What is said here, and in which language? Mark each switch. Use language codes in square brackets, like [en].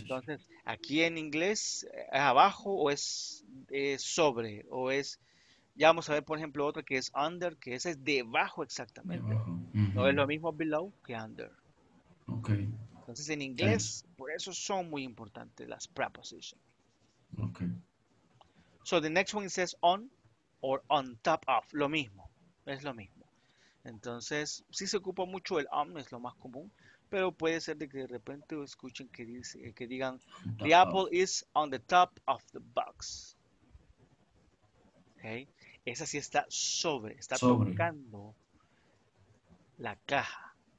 [es] Entonces, aquí en inglés, ¿es abajo o es sobre? O es... Ya vamos a ver, por ejemplo, otra que es under, que esa es debajo exactamente. Debajo. No es lo mismo below que under. Ok. Entonces, en inglés, por eso son muy importantes las prepositions. Okay. [en] So, the next one says on or on top of. [es] Lo mismo. Es lo mismo. Entonces, sí se ocupa mucho el on, es lo más común. Pero puede ser de que de repente escuchen que, dice, que digan, [en] the apple is on the top of the box. [es] Okay. Esa sí está sobre. Está tocando la caja.